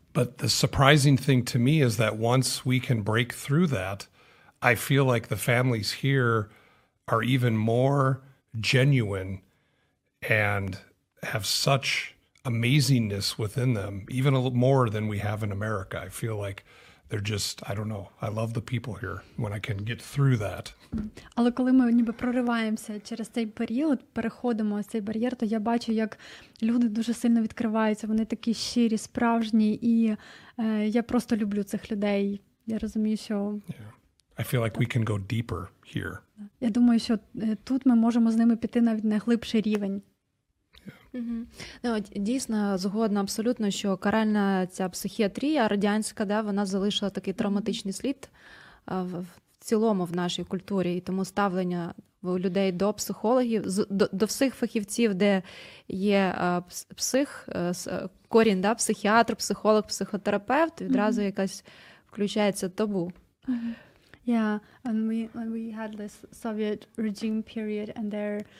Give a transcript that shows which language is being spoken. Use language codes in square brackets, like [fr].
[en] But the surprising thing to me is that once we can break through that, I feel like the families here are even more genuine and have such amazingness within them, even a little more than we have in America. I feel like they're just, I don't know, I love the people here when I can get through that. [uk] Але коли ми ніби прориваємося через цей період, переходимо цей бар'єр, то я бачу, як люди дуже сильно відкриваються, вони такі щирі, справжні, і я просто люблю цих людей. Я розумію, що... [en] Yeah. I feel like we can go deeper here. [uk] Я думаю, що тут ми можемо з ними піти навіть на глибший рівень. Ну, дійсно, згодна абсолютно, що каральна ця психіатрія радянська, да, вона залишила такий травматичний слід в цілому в нашій культурі. І тому ставлення у людей до психологів, до всіх фахівців, де є псих, корінь, да, психіатр, психолог, психотерапевт, відразу якась включається табу. [en] Yeah, and we had this Soviet regime period and there...